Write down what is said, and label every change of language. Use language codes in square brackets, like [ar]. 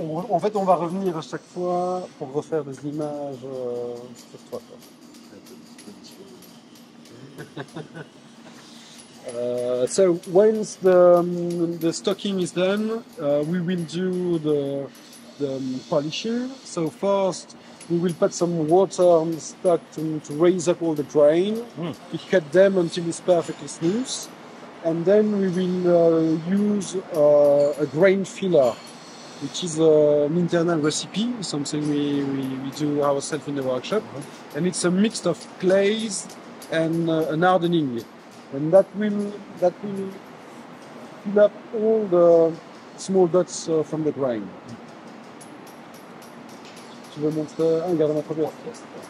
[fr] En fait, on va revenir à chaque fois pour refaire des images sur toi. [en] So once the stocking is done, we will do the polishing. So first, we will put some water on the stock to raise up all the grain. We cut them until it's perfectly smooth. And then we will use a grain filler, which is an internal recipe, something we do ourselves in the workshop. Mm-hmm. And it's a mix of clays and an hardening. And that will fill up all the small dots from the grain. [fr] Tu veux montrer un garde ma première pièce.